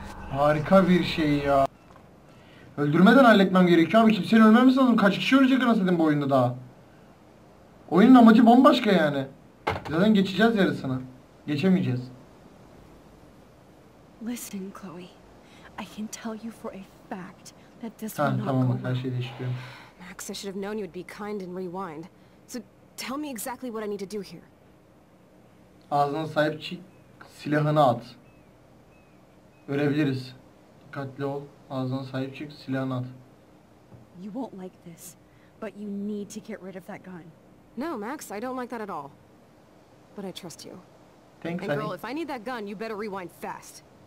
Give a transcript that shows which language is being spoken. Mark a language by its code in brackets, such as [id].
[tr] Harika bir şey ya. Öldürmeden halletmem gerekiyor abi. Kimsenin ölmemesi lazım. Kaç kişi ölecek anasını bu oyunda daha. Oyunun amacı bambaşka yani. Zaten geçeceğiz yarısını. Geçemeyeceğiz. [en] Listen, Chloe. I can tell you for a fact that this ha, will [tr] tamam, [en] not go. [tr] Her şey değişiyor. [en] Max, I should have known you would be kind and rewind. So tell me exactly what I need to do here. [tr] Ağzına sahip çık, silahını at. Ölebiliriz. Dikkatli ol. Ağzına sahip çık, silahını at. [en] You won't like this, but you need to get rid of that gun. No, Max, I don't like that at all. But I trust you. Thanks, and girl, if I need that gun, you better rewind fast.